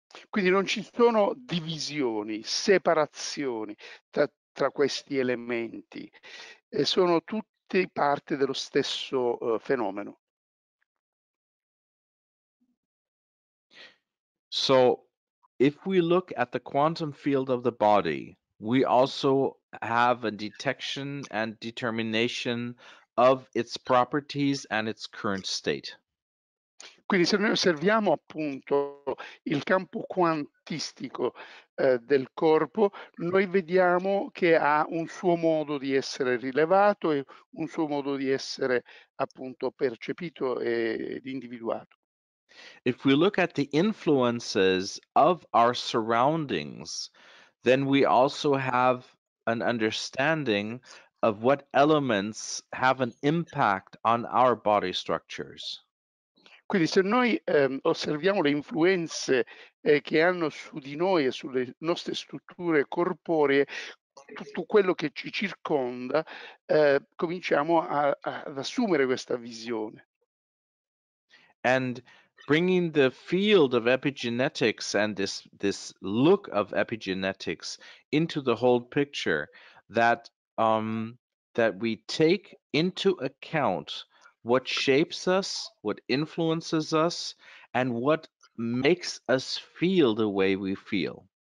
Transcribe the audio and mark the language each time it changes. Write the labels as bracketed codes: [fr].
[it] Quindi non ci sono divisioni, separazioni tra questi elementi. Sono tutte parte dello stesso fenomeno. [en] So, if we look at the quantum field of the body, we also have a detection and determination of its properties and its current state. [it] Quindi se noi osserviamo appunto il campo quantistico del corpo, noi vediamo che ha un suo modo di essere rilevato e un suo modo di essere appunto percepito ed individuato. [en] If we look at the influences of our surroundings, then we also have an understanding of what elements have an impact on our body structures. [it] Quindi se noi osserviamo le influenze che hanno su di noi e sulle nostre strutture corporee, tutto quello che ci circonda, cominciamo ad assumere questa visione. [en] And bringing the field of epigenetics and this look of epigenetics into the whole picture, that that we take into account what shapes us, what influences us, and what makes us feel the way we feel.